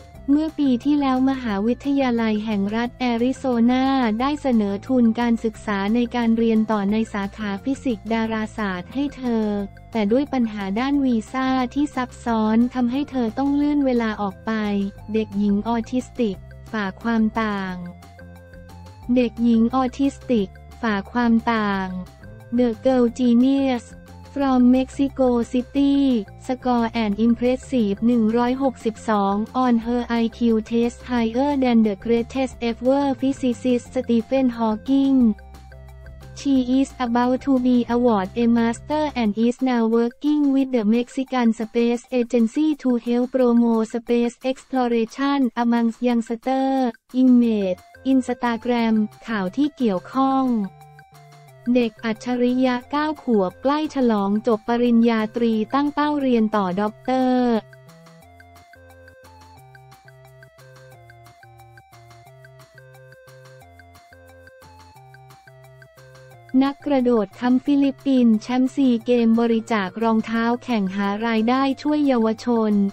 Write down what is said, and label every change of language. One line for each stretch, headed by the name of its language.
Thai: เมื่อปีที่แล้วมหาวิทยาลัยแห่งรัฐแอริโซนาได้เสนอทุนการศึกษาในการเรียนต่อในสาขาฟิสิกส์ดาราศาสตร์ให้เธอแต่ด้วยปัญหาด้านวีซ่าที่ซับซ้อนทำให้เธอต้องเลื่อนเวลาออกไปเด็กหญิงออทิสติกฝ่าความต่างเด็กหญิงออทิสติกฝ่าความต่าง
English: The Girl Genius from Mexico City score an impressive 162 on her IQ test higher than the greatest ever physicist Stephen Hawking. She is about to be awarded a master and is now working with the Mexican Space Agency to help promote space exploration among youngsters.
Thai: Image Instagram ข่าวที่เกี่ยวข้องเด็กอัจฉริยะ9ขวบใกล้ฉลองจบปริญญาตรีตั้งเป้าเรียนต่อด็อกเตอร์นักกระโดดค้ำฟิลิปปินส์แชมป์ซีเกมบริจาครองเท้าแข่งหารายได้ช่วยเยาวชน